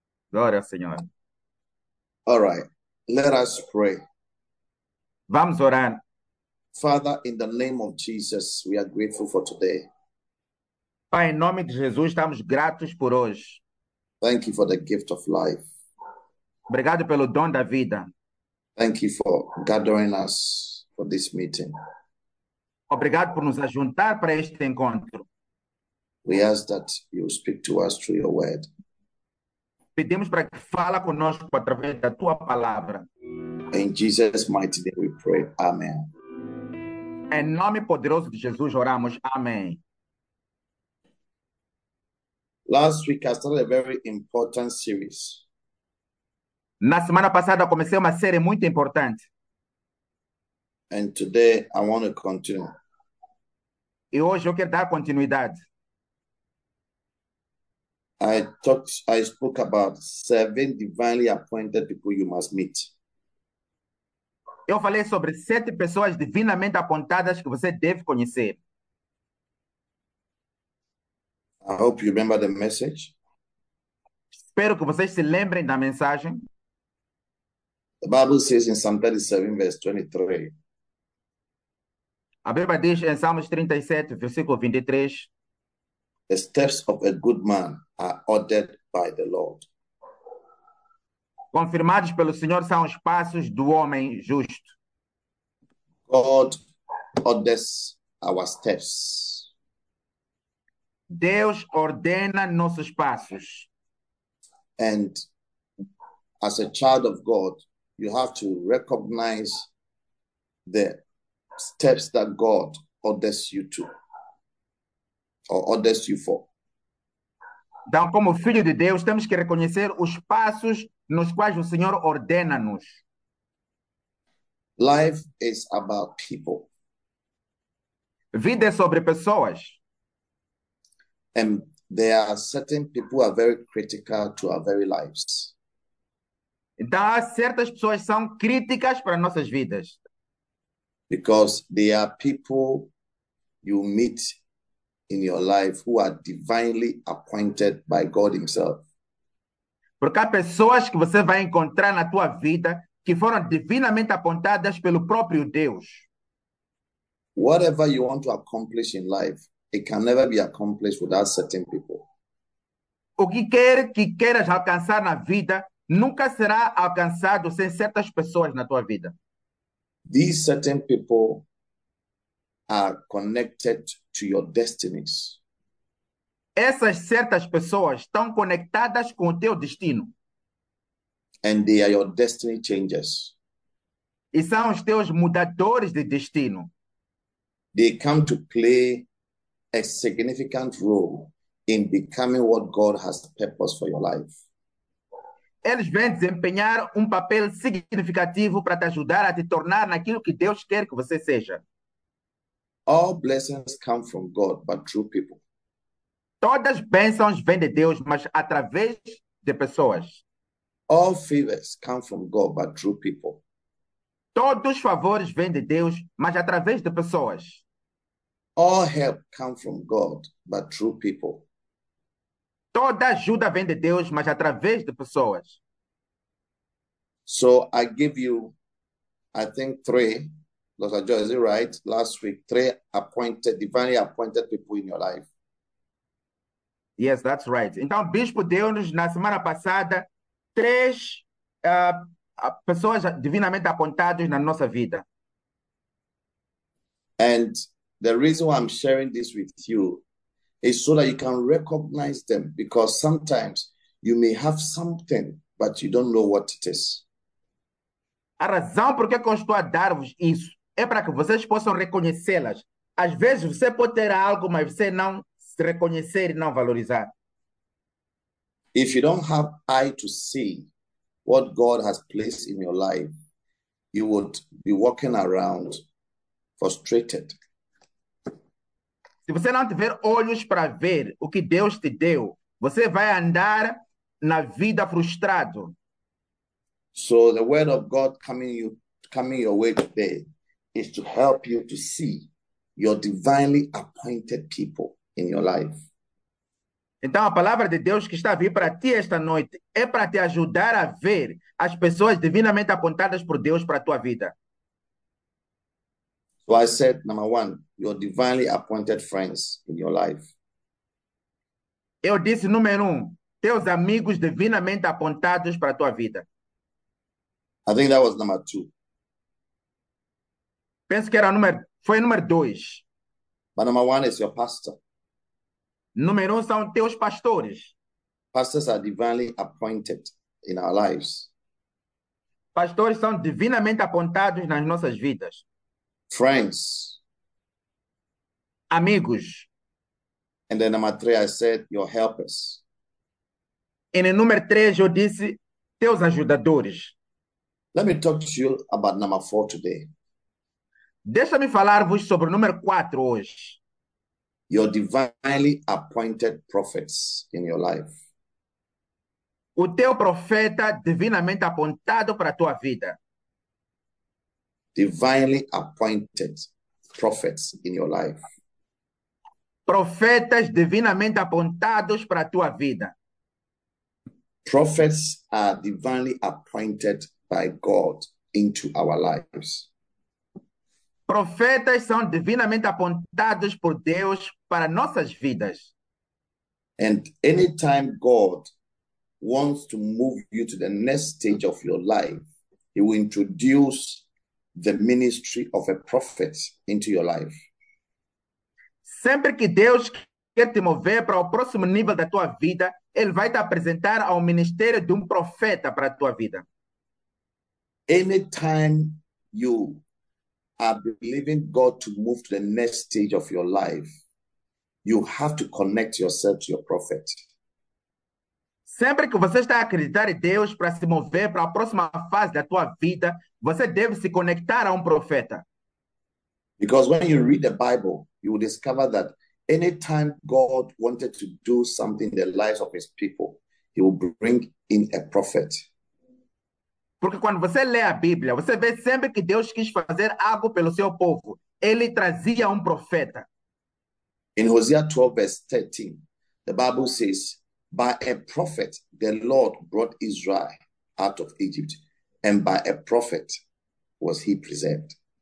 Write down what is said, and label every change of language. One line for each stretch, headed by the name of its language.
Portuguese: Glória ao Senhor.
English: All right, let us pray.
Portuguese: Vamos orar.
English: Father, in the name of Jesus, we are grateful for today.
Portuguese: Pai, em nome de Jesus, estamos gratos por hoje.
English: Thank you for the gift of life.
Portuguese: Obrigado pelo dom da vida.
English: Thank you for gathering us for this meeting.
Portuguese: Obrigado por nos ajuntar para este encontro.
English: We ask that you speak to us through your word.
Portuguese: Pedimos para que fala conosco através da tua palavra.
English: In Jesus' mighty name we pray. Amen.
Portuguese: Em nome poderoso de Jesus oramos. Amém.
English: Last week I started a very important series.
Portuguese: Na semana passada comecei uma série muito importante.
English: And today I want to continue.
Portuguese: E hoje eu quero dar continuidade.
English: I spoke about seven divinely appointed people you must meet.
Portuguese: Eu falei sobre sete pessoas divinamente apontadas que você deve conhecer.
English: I hope you remember the message.
Portuguese: Espero que vocês se lembrem da mensagem.
English: The Bible says in Psalm 37, verse 23.
Portuguese: A Bíblia diz em Salmos 37, versículo 23.
English: The steps of a good man are ordered by the Lord.
Portuguese: Confirmados pelo Senhor são os passos do homem justo.
English: God orders our steps.
Portuguese: Deus ordena nossos passos.
English: And as a child of God, you have to recognize the steps that God orders you to. Or orders you for.
Portuguese: Então, como filho de Deus, temos que reconhecer os passos nos quais o Senhor ordena-nos.
English: Life is about people.
Portuguese: Vida é sobre pessoas.
English: And there are certain people who are very critical to our very lives.
Portuguese: Então, há certas pessoas que são críticas para nossas vidas.
English: Because they are people you meet in your life who are divinely appointed by God himself.
Portuguese: Porque há pessoas que você vai encontrar na tua vida que foram divinamente apontadas pelo próprio Deus.
English: Whatever you want to accomplish in life, it can never be accomplished without certain people.
Portuguese: O que quer que queiras alcançar na vida nunca será alcançado sem certas pessoas na tua vida.
English: These certain people are connected to your destinies.
Portuguese: Essas certas pessoas estão conectadas com o teu destino.
English: And they are your destiny changers.
Portuguese: E são os teus mudadores de destino.
English: They come to play a significant role in becoming what God has purposed for your life.
Portuguese: Eles vêm desempenhar papel significativo para te ajudar a te tornar naquilo que Deus quer que você seja.
English: All blessings come from God, but through people.
Portuguese: Todas bênçãos vêm de Deus, mas através de pessoas.
English: All favors come from God, but through people.
Portuguese: Todos favores vêm de Deus, mas através de pessoas.
English: All help come from God, but through people.
Portuguese: Toda ajuda vem de Deus, mas através de pessoas.
English: So I give you, I think, three. Dr. Joyce, is it right? Last week, three appointed, divinely appointed people in your life. Yes, that's right.
Portuguese: Então, Bispo deu-nos, na semana passada, três pessoas divinamente apontadas na nossa vida.
English: And the reason why I'm sharing this with you is so that you can recognize them, because sometimes you may have something, but you don't know what it is.
Portuguese: A razão por que eu estou a dar-vos isso é para que vocês possam reconhecê-las. Às vezes você pode ter algo, mas você não se reconhecer e não valorizar.
English: If you don't have eye to see, what God has placed in your life, you would be walking around frustrated.
Portuguese: Se você não tiver olhos para ver o que Deus te deu, você vai andar na vida frustrado.
English: So the word of God coming your way today is to help you to see your divinely appointed people in your life.
Portuguese: Então a palavra de Deus que está a vir para ti esta noite é para te ajudar a ver as pessoas divinamente apontadas por Deus para a tua vida.
English: So I said, number one, your divinely appointed friends in your life.
Portuguese: Eu disse, número um, teus amigos divinamente apontados para a tua vida.
English: I think that was number two.
Portuguese: Penso que era foi número dois.
English: But number one is your pastor.
Portuguese: Número um são teus pastores.
English: Pastors are divinely appointed in our lives.
Portuguese: Pastores são divinamente apontados nas nossas vidas.
English: Friends.
Portuguese: Amigos.
English: And then number three, I said, your helpers.
Portuguese: E no número três, eu disse, teus ajudadores.
English: Let me talk to you about number four today.
Portuguese: Deixa-me falar-vos sobre o número quatro hoje.
English: Your divinely appointed prophets in your life.
Portuguese: O teu profeta divinamente apontado para a tua vida.
English: Divinely appointed prophets in your life.
Portuguese: Profetas divinamente apontados para a tua vida.
English: Prophets are divinely appointed by God into our lives.
Portuguese: Profetas são divinamente apontados por Deus para nossas vidas.
English: And anytime God wants to move you to the next stage of your life, he will introduce the ministry of a prophet into your life.
Portuguese: Sempre que Deus quer te mover para o próximo nível da tua vida, ele vai te apresentar ao ministério de profeta para a tua vida.
English: Anytime you are believing God to move to the next stage of your life, you have to connect yourself to your prophet.
Portuguese: Sempre que você está a acreditar em Deus para se mover para a próxima fase da tua vida, você deve se conectar a profeta.
English: Because when you read the Bible, you will discover that anytime God wanted to do something in the lives of his people, he will bring in a prophet.
Portuguese: Porque quando você lê a Bíblia, você vê sempre que Deus quis fazer algo pelo seu povo, ele trazia profeta.
English: In Hosea 12, verse 13, the Bible says, by a prophet, the Lord brought Israel out of Egypt, and by a prophet was he preserved.